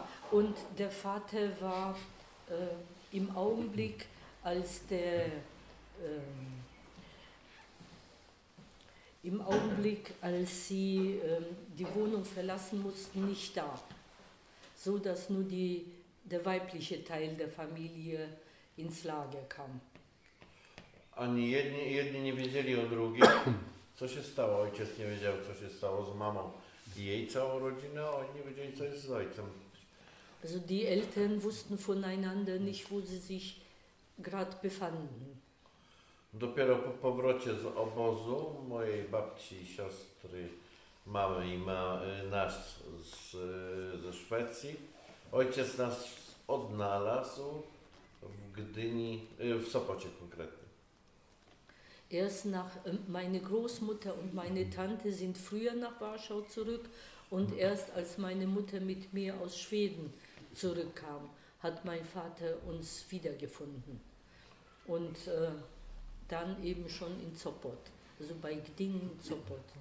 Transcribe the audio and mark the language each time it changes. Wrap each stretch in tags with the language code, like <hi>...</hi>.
<de>Und der Vater war im Augenblick, als der im Augenblick, als sie die Wohnung verlassen mussten, nicht da, so dass nur der weibliche Teil der Familie ins Lager kam.</de> <pl>Ani jedni nie wiedzieli o drugich, co się stało. Ojciec nie wiedział, co się stało z mamą i jej całą rodziną, a oni nie wiedzieli, co jest z ojcem.</pl> <de>Also die Eltern wussten voneinander nicht, wo sie sich gerade befanden.</de> <pl>Dopiero po powrocie z obozu mojej babci, siostry, mamy i nas ze Szwecji, ojciec nas odnalazł w Gdyni, w Sopocie konkretnie.</pl> <de>Erst nach, meine Großmutter und meine Tante sind früher nach Warschau zurück und erst als meine Mutter mit mir aus Schweden zurückkam, hat mein Vater uns wiedergefunden. Und dann eben schon in Sopot, also bei Gdyni, Sopot.</de>